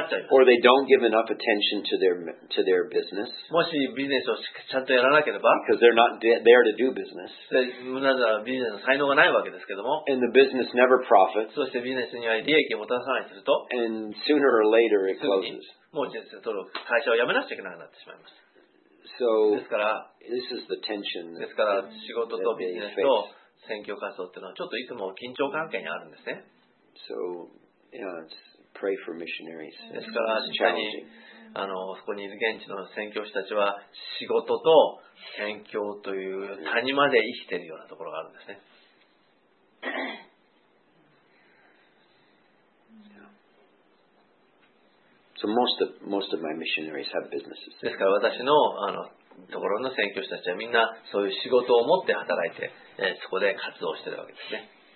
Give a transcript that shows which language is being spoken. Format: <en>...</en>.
<en>Or they don't give enough attention to their business.</en> <ja>もしビジネスをちゃんとやらなければ、</ja> <en>because they're not there to do business.</en> <ja>なぜならビジネスの才能がないわけですけども、</ja> <en>and the business never profits.</en> <ja>そしてビジネスには利益をもたらさないとすると、</ja> <en>and sooner or later it closes.</en> <ja>もう会社を辞めなくちゃいけなくなってしまいます。</ja> <en>So,</en> <ja>ですから、</ja> <en>this is the tension.</en> <ja>ですから仕事とビジネスと選挙活動っていうのはちょっといつも緊張関係にあるんですね。</ja> <en>So, you know, pray for missionaries.</en> <ja>ですから実際にそこにいる現地の宣教師たちは仕事と宣教という谷まで生きているようなところがあるんですね。</ja> <en>So most of my missionaries have businesses.</en> <ja>ですから私のところの宣教師たちはみんなそういう仕事を持って働いて、そこで活動しているわけですね。</ja>